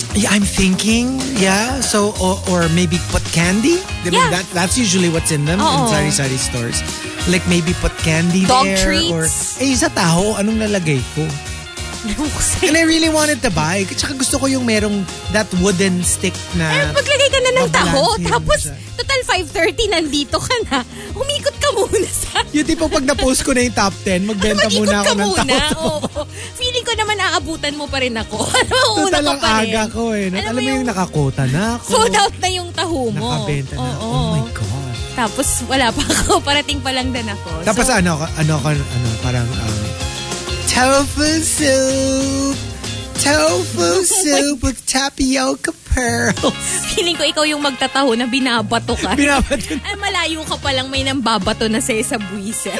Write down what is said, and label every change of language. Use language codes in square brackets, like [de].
[en] Yeah, I'm thinking, yeah. So, or maybe put candy. Yeah. That's usually what's in them in sari-sari stores. Like maybe put candy dog there. Dog treats. Or, [tl] eh, sa taho, anong nalagay ko? [en] And I really wanted to buy. [tl] Tsaka gusto ko yung merong [en] that wooden stick [tl] na... Eh, maglagay ka na ng taho. Tapos, total 5:30, nandito ka na. Umikot ka muna sa... Yung tipo pag na-post ko na yung top 10, mag-benta muna ako ng taho. Feeling ko naman aabutan mo pa rin ako. Total ang aga ko eh. Alam mo yung nakakota na ako. Sold out na yung taho mo. Nakabenta na. Oh my God. Tapos, wala pa ako. Parating pa lang din ako. Tapos, ano, parang... [en] tofu soup! Tofu soup with tapioca pearls. [tl] Feeling ko ikaw yung magtataho na binabato ka. Binabato na. Ay, malayo ka palang may nambabato na sa'yo sa buwisa.